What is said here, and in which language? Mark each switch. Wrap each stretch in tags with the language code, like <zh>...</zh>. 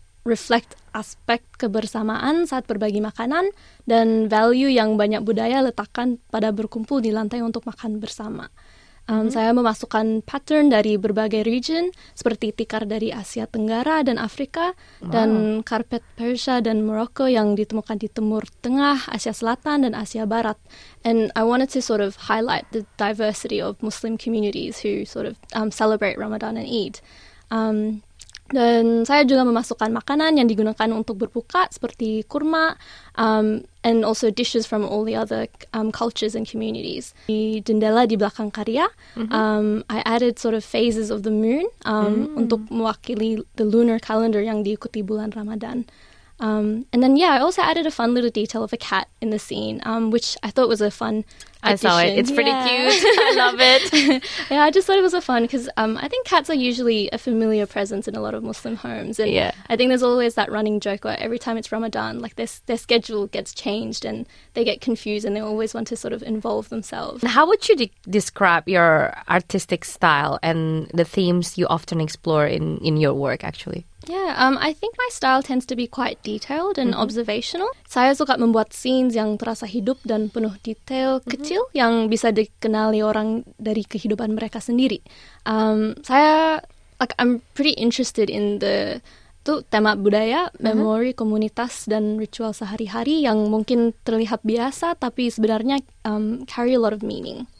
<id>reflect aspek kebersamaan saat berbagi makanan dan value yang banyak budaya letakkan pada berkumpul di lantai untuk makan bersama. Saya memasukkan pattern dari berbagai region seperti tikar dari Asia Tenggara dan Afrika dan karpet Persia dan Morocco yang ditemukan di Timur Tengah, Asia Selatan dan Asia Barat.</id> <en>And I wanted to sort of highlight the diversity of Muslim communities who sort of celebrate Ramadan and Eid.</en> <id>Dan saya juga memasukkan makanan yang digunakan untuk berbuka seperti kurma</id> <en>and also dishes from all the other cultures and communities.</en> <id>Di jendela di belakang karya,</id> <en>I added sort of phases of the moon</en> <id>untuk mewakili</id> <en>the lunar calendar</en> <id>yang diikuti bulan Ramadan.</id> <en>And then, yeah, I also added a fun little detail of a cat in the scene, which I thought was a fun addition. I saw it. It's pretty cute. I love it. Yeah, I just thought it was a fun because I think cats are usually a familiar presence in a lot of Muslim homes. And I think there's always that running joke where every time it's Ramadan, like their schedule gets changed and they get confused and they always want to sort of involve themselves. How would you describe your artistic style and the themes you often explore in your work, actually? Yeah, I think my style tends to be quite detailed and observational.</en> <id>Saya suka membuat scenes yang terasa hidup dan penuh detail kecil yang bisa dikenali orang dari kehidupan mereka sendiri.</id> <en>I'm pretty interested in the</en> <id>tema budaya, memori, komunitas, dan ritual sehari-hari yang mungkin terlihat biasa tapi sebenarnya</id> <en>carry a lot of meaning.</en>